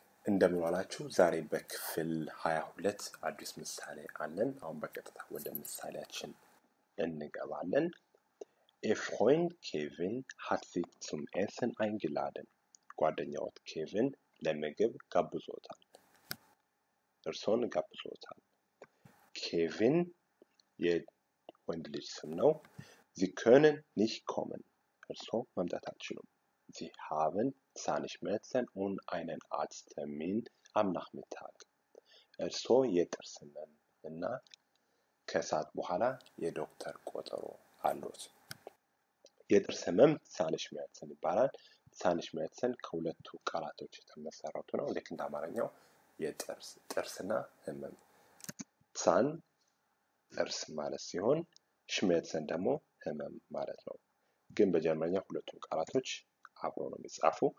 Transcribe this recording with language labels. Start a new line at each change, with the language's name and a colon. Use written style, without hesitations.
Amharic: እንደምንዋላችሁ ዛሬ በክፍል 22 አዲስ ምሳሌ አለን። አሁን በቀጥታ ወደ ምሳሌያችን እንገባለን።
German: Ein Freund Kevin hat sich zum Essen eingeladen.
Amharic: ጓደኛው ኬቪን ለምግብ ጋብዞታል። እርሱን ጋብዞታል። ኬቪን የወንድ ልጅ ስም ነው።
German: Sie können nicht kommen.
Amharic: እርሱ መምጣት አልቻለም።
German: Sie haben zahne Schmerzen und einen Arzttermin am Nachmittag.
Amharic: እርሱ የጥርስ ህመም እና ከሰዓት በኋላ የዶክተር ቀጠሮ አለው። የጥርስ ህመም zahne Schmerzen ይባላል። zahne Schmerzen ከሁለቱ ቃላቶች የተመሰረቱ ነው። ልክ እንደ አማርኛው የጥርስ ጥርስና ህመም zahn ጥርስ ማለት ሲሆን Schmerzen ደግሞ ህመም ማለት ነው። ግን በጀርመንኛ ሁለቱ ቃላቶች አብሮ ነው የሚጻፉ።